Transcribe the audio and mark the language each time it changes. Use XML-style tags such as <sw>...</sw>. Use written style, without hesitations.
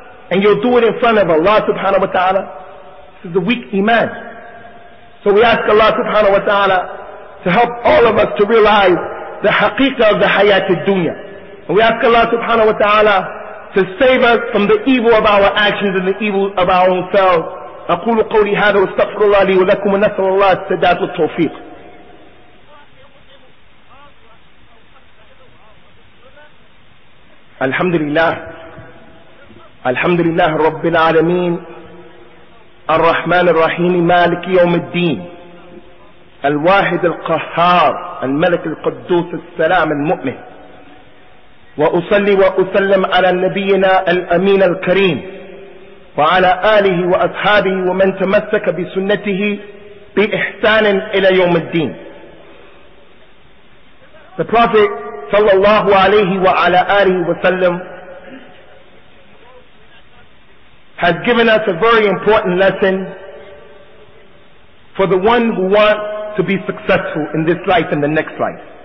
<en>And you'll do it in front of Allah Subhanahu Wa Ta'ala. This is a weak iman. So we ask Allah Subhanahu Wa Ta'ala to help all of us to realize the haqiqah of the hayat al-dunya. And we ask Allah Subhanahu Wa Ta'ala to save us from the evil of our actions and the evil of our own selves.</en> <ar>أقول قولي هذا واستغفر الله لي ولكم ونسأل الله السداد والتوفيق. الحمد لله الحمد لله رب العالمين الرحمن الرحيم مالك يوم الدين الواحد القهار الملك القدوس السلام المؤمن وأصلي وأسلم على نبينا الأمين الكريم وعلى آله وأصحابه ومن تمسك بسنته بإحسان إلى يوم الدين.</ar> <en>The Prophet</en> <ar>صلى الله عليه وعلى آله وسلم</ar> <en>has given us a very important lesson for the one who wants to be successful in this life and the next life.</en>